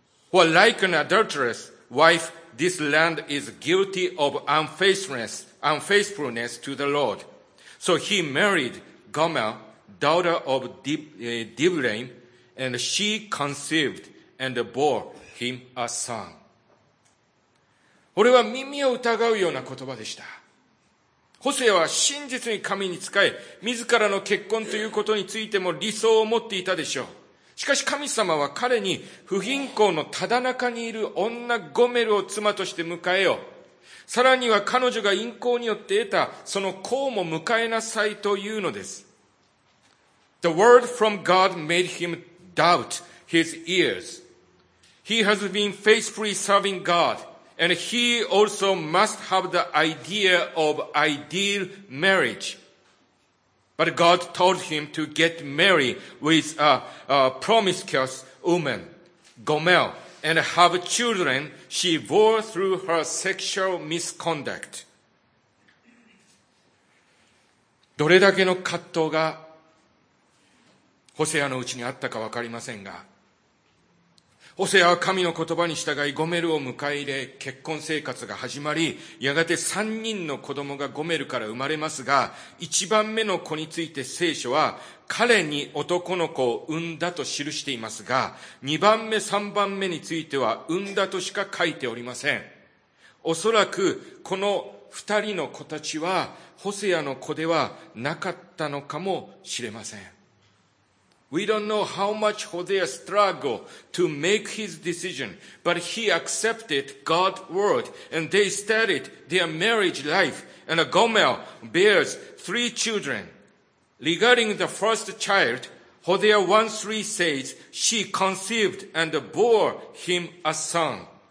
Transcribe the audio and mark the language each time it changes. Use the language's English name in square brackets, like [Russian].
[English] For like an adulterous wife, this land is guilty of unfaithfulness to the Lord. So he married Gomer,daughter of Diblaim, and she conceived and bore him a son. [Japanese] 俺は耳を疑うような言葉でした。ホセアは真実に神に仕え、自らの結婚ということについても理想を持っていたでしょう。しかし神様は彼に不貧困のただ中にいる女ゴメルを妻として迎えよ。さらには彼女が淫行によって得たその子も迎えなさいというのです。 [English] The word from God made him doubt his ears. He has been faithfully serving God, and he also must have the idea of ideal marriage. But God told him to get married with a promiscuous woman, Gomer, and have children she bore through her sexual misconduct. [Japanese] どれだけの葛藤がホセアのうちにあったかわかりませんが、ホセアは神の言葉に従いゴメルを迎え入れ、結婚生活が始まり、やがて三人の子供がゴメルから生まれますが、一番目の子について聖書は彼に男の子を産んだと記していますが、二番目三番目については産んだとしか書いておりません。おそらくこの二人の子たちはホセアの子ではなかったのかもしれません。 [English] We don't know how much Hosea struggled to make his decision, but he accepted God's word and they started their marriage life. And Gomer bears three children. Regarding the first child, Hosea 1:3 says she conceived and bore him a son.